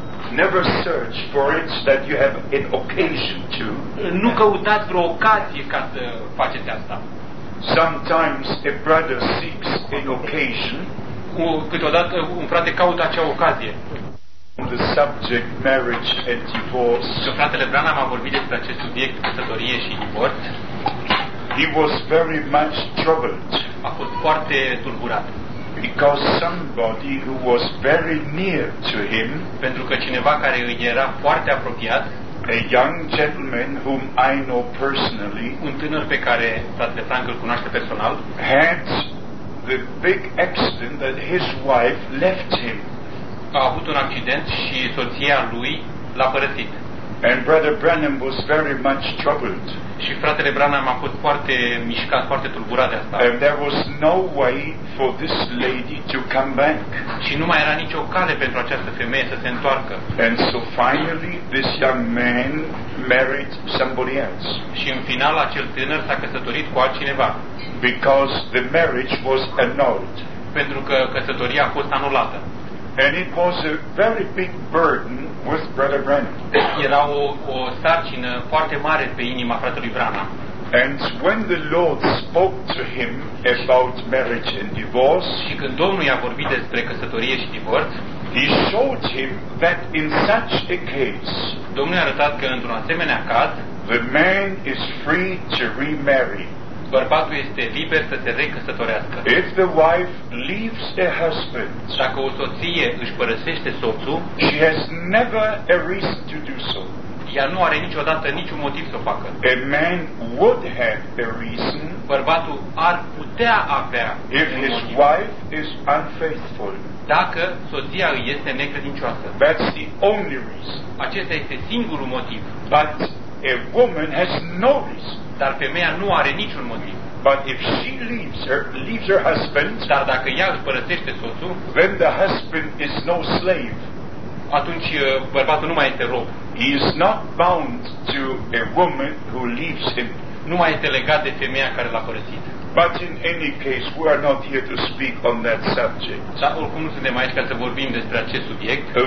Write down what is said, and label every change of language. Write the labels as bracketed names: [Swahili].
[English] Never search for it that you have an occasion to. [Romanian] Nu căutați vreo ocazie ca să faceți asta. [English] Sometimes a brother seeks an occasion. [Romanian] Câteodată un frate caută acea ocazie. [English] The subject marriage and divorce. [Romanian] Și fratele Branham a vorbit despre acest subiect, căsătorie și divorț. [English] He was very much troubled. [Romanian] A fost foarte tulburat. [English] Because somebody who was very near to him, [Romanian] pentru că cineva care îi era foarte apropiat, [English] a young gentleman whom I know personally, [Romanian] un tânăr pe care fratele Frank îl cunoaște personal, [English] had the big accident that his wife left him. [Romanian] A avut un accident și soția lui l-a părăsit. [English] And Brother Branham was very much troubled. [Romanian] Și fratele Branham a fost foarte mișcat, foarte tulburat de asta. [English] And there was no way for this lady to come back. [Romanian] Și nu mai era nicio cale pentru această femeie să se întoarcă. [English] And so finally this young man married somebody else. [Romanian] Și în final acel tânăr s-a căsătorit cu altcineva. [English] Because the marriage was annulled. [Romanian] Pentru că căsătoria a fost anulată. [English] And it was a very big burden with Brother Branham. [Romanian] Era o sarcină foarte mare pe inima fratelui Branham. [English] And when the Lord spoke to him about marriage and divorce, [Romanian] și când Domnul i-a vorbit despre căsătorie și divorț, [English] he showed him that in such a case, [Romanian] Domnul i-a arătat că într-un asemenea caz, [English] the man is free to remarry. [Romanian] Bărbatul este liber să se recăsătorească. [English] If the wife leaves the husband, [Romanian] dacă o soție își părăsește soțul, [English] she has never a reason to do so. [Romanian] Ea nu are niciodată niciun motiv să o facă. [English] A man would have a reason. [Romanian] Bărbatul ar putea avea [English] if [Romanian] un motiv. [English] His wife is unfaithful. [Romanian] Dacă soția îi este necredincioasă. [English] That's the only reason. [Romanian] Acesta este singurul motiv. [English] But a woman has no reason. [Romanian] Dar femeia nu are niciun motiv. [English] But if she leaves her husband, [Romanian] dar dacă ea își părăsește soțul, [English] then the husband is no slave. [Romanian] Atunci bărbatul nu mai este rob. [English] He is not bound to a woman who leaves him. [Romanian] Nu mai este legat de femeia care l-a părăsit. [English] But in any case, we are not here to speak on that subject. [Romanian] Dar oricum nu suntem aici ca să vorbim despre acest subiect.